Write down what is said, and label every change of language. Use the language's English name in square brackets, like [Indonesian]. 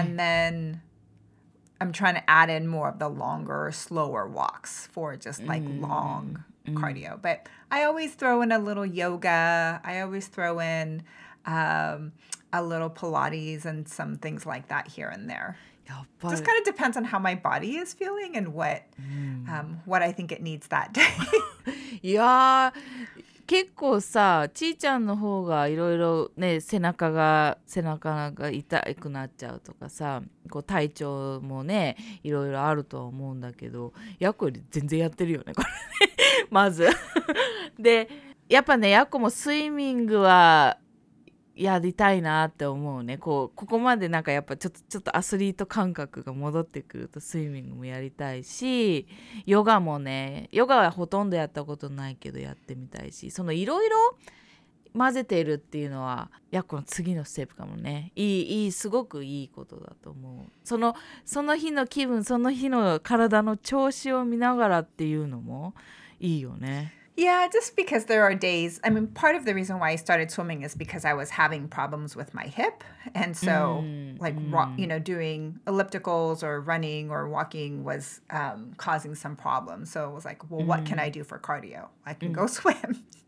[English] And then I'm trying to add in more of the longer, slower walks for just like longcardio, but I always throw in a little yoga. I always throw in a little Pilates and some things like that here and there. Just kind of depends on how my body is feeling and what I think it needs that day. Yeah, [Japanese] 結構さ、ちーちゃんの方がいろいろね、背中が痛くなっちゃうとかさ、こう体調もね、いろいろあるとは思うんだけど、ヤコより全然やってるよね、これね。まず。で、やっぱね、ヤコもスイミングは、やりたいなって思うね。こうここまでなんかやっぱちょっとアスリート感覚が戻ってくるとスイミングもやりたいし、ヨガもね、ヨガはほとんどやったことないけどやってみたいし、そのいろいろ混ぜているっていうのはやっぱ次のステップかもね。いいすごくいいことだと思う。その日の気分、その日の体の調子を見ながらっていうのもいいよね。 [English] Yeah, just because there are days. I mean, part of the reason why I started swimming is because I was having problems with my hip. And so, doing ellipticals or running or walking was causing some problems. So it was like, well, what can I do for cardio? I can go swim.